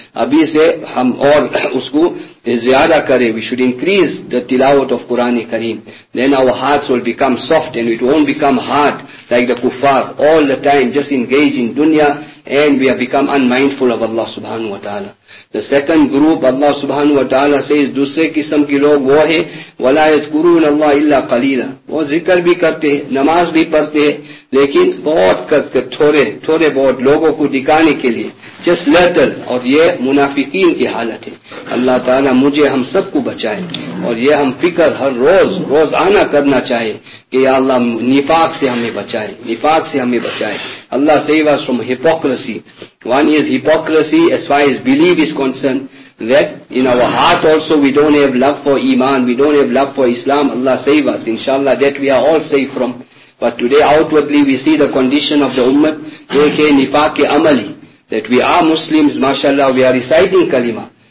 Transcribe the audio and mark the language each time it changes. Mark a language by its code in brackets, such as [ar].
[ur] Abhi se hum aur usko ziyada kare. [en] We should increase the tilawat of Quran-e-Kareem. Then our hearts will become soft and it won't become hard like the kuffar. All the time just engage in dunya, and we have become unmindful of Allah subhanahu wa ta'ala. The second group Allah subhanahu wa ta'ala says, [ur] دوسرے قسم کی لوگ وہ ہیں [ar] وَلَا يَذْكُرُونَ اللَّهِ إِلَّا قَلِيلًا [ur] وہ ذکر بھی کرتے ہیں نماز بھی پڑھتے ہیں لیکن بہت تھوڑے بہت لوگوں کو دکھانے کے لئے [en] just little [ur] اور یہ منافقین کی حالت ہے اللہ تعالیٰ مجھے ہم سب کو بچائے اور یہ ہم فکر ہر روز آنا کرنا چاہے کہ یا اللہ نفاق سے ہمیں بچائے [en] Allah save us from hypocrisy. One is hypocrisy as far as belief is concerned, that in our heart also we don't have love for Iman, we don't have love for Islam. Allah save us, inshallah, that we are all safe from. But today outwardly we see the condition of the ummah, okay, [ur] nifaq ke amali, [en] that we are Muslims, mashallah, we are reciting kalima.